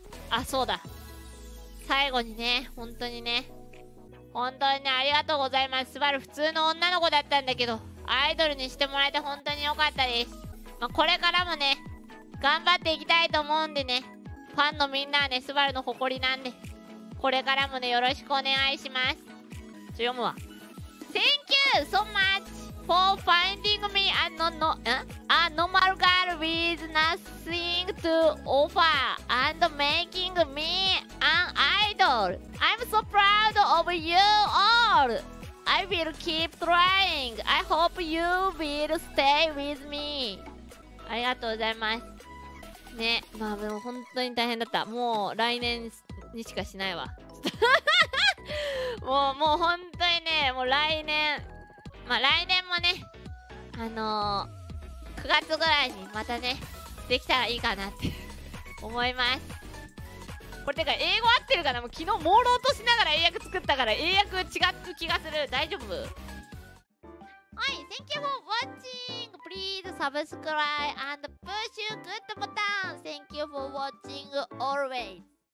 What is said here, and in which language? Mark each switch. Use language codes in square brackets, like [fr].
[ja] あ、そうだ、最後にね、本当にね、本当にね、ありがとうございます。スバル、普通の女の子だったんだけど、アイドルにしてもらえて本当によかったです。まあ、これからもね、頑張っていきたいと思うんでね、ファンのみんなはね、スバルの誇りなんで、これからもね、よろしくお願いします。ちょ、読むわ。 [en] Thank you so much for finding me a normal girl with nothing to offer and making me an idol. I'm so proud of you all. I will keep trying. I hope you will stay with me. [ja] ありがとうございます。ね、まあでも本当に大変だった。もう来年にしかしないわ。もう本当にね、もう来年、まあ来年もね、9月ぐらいにまたね、できたらいいかなって思います。これてか英語合ってるかな。もう昨日朦朧としながら英訳作ったから英訳違う気がする。大丈夫？はい、 [en] Thank you for watching. Please subscribe and push good button. Thank you for watching always.